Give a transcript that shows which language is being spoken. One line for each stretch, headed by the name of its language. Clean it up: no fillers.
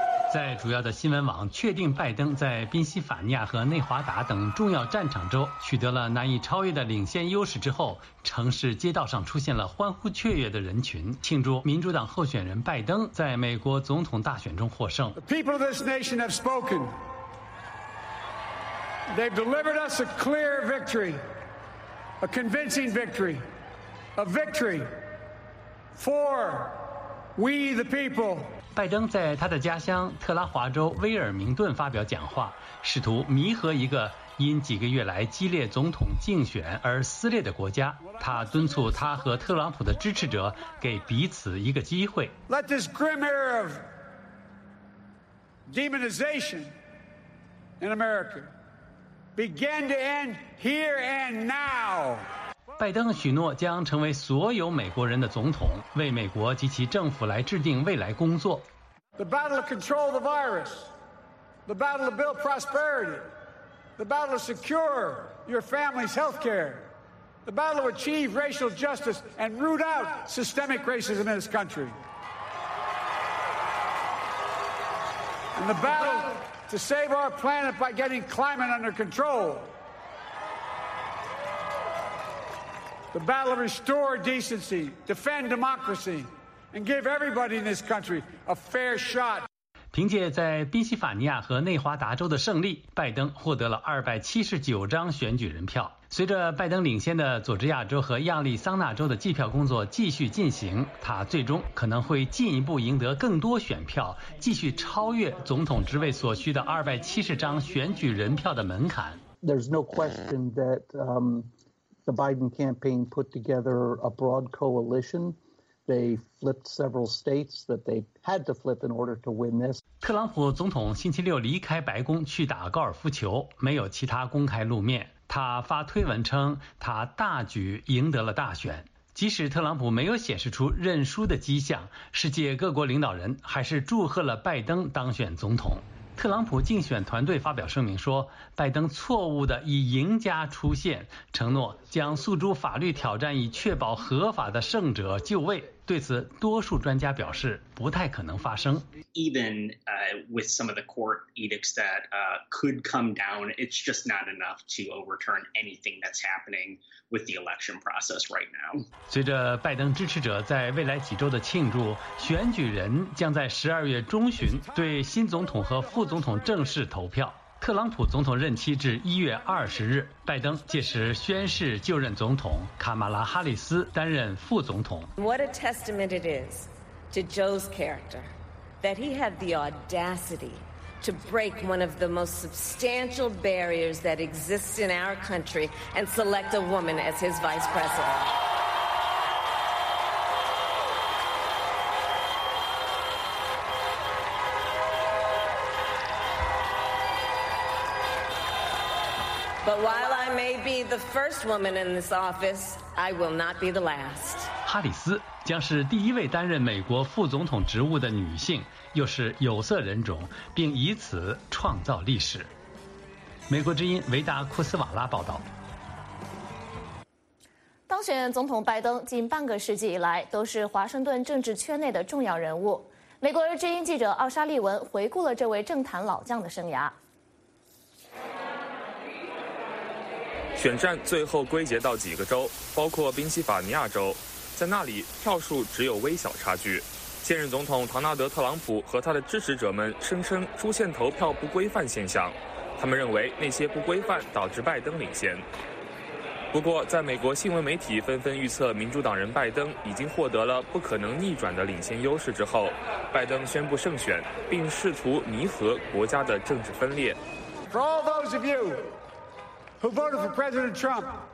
Chinese: 在主要的新闻网确定拜登在宾夕法尼亚和内华达等重要战场州取得了难以超越的领先优势之后，城市街道上出现了欢呼雀跃的人群，庆祝民主党候选人拜登在美国总统大选中获胜。
English: The people of this nation have spoken. They've delivered us a clear victory, a convincing victory, a victory for we the people.
Chinese: 拜登在他的家乡特拉华州威尔明顿发表讲话，试图弥合一个因几个月来激烈总统竞选而撕裂的国家。他敦促他和特朗普的支持者给彼此一个机会。
English: Let this grim era of demonization in America begin to end here and now.
Chinese: 拜登许诺将成为所有美国人的总统，为美国及其政府来制定未来工作。
English: The battle to control the virus, the battle to build prosperity, the battle to secure your family's health care, the battle to achieve racial justice and root out systemic racism in this country, and the battle to save our planet by getting climate under control. The battle to restore decency, defend democracy, and give everybody in this country a fair shot.
Chinese: 凭借在宾夕法尼亚和内华达州的胜利，拜登获得了279张选举人票。随着拜登领先的佐治亚州和亚利桑那州的计票工作继续进行，他最终可能会进一步赢得更多选票，继续超越总统职位所需的270张选举人票的门槛。
English: There's no question that, The Biden campaign put together a broad coalition. They flipped several states that they had to flip in order to win this.
Chinese: 特朗普总统星期六离开白宫去打高尔夫球，没有其他公开露面。他发推文称，他大举赢得了大选。即使特朗普没有显示出认输的迹象，世界各国领导人还是祝贺了拜登当选总统。特朗普竞选团队发表声明说，拜登错误地以赢家出现，承诺将诉诸法律挑战以确保合法的胜者就位。对此，多数专家表示不太可能发生。
English: Even with some of the court edicts that could come down, it's just not enough to overturn anything that's happening with the election process right now.
Chinese: 随着拜登支持者在未来几周的庆祝，选举人将在12月中旬对新总统和副总统正式投票。特朗普总统任期至1月20日，拜登届时宣誓就任总统，卡马拉·哈里斯担任副总统。
English: What a testament it is to Joe's character that he had the audacity to break one of the most substantial barriers that exists in our country and select a woman as his vice president. But while I may be the first woman in this office, I will not be the last.
Chinese: 哈里斯将是第一位担任美国副总统职务的女性，又是有色人种，并以此创造历史。美国之音维达库斯瓦拉报道。当选总统拜登近半个世纪以来，都是华盛顿政治圈内的重要人物。美国之音记者奥沙利文回顾了这位政坛老将的生涯。选战最后归结到几个州，包括宾夕法尼亚州，在那里票数只有微小差距。现任总统唐纳德·特朗普和他的支持者们声称出现投票不规范现象，他们认为那些不规范导致拜登领先。不过在美国新闻媒体纷纷预测民主党人拜登已经获得了不可能逆转的领先优势之后，拜登宣布胜选，并试图弥合国家的政治分裂。
English: For all those of youWho voted for President Trump?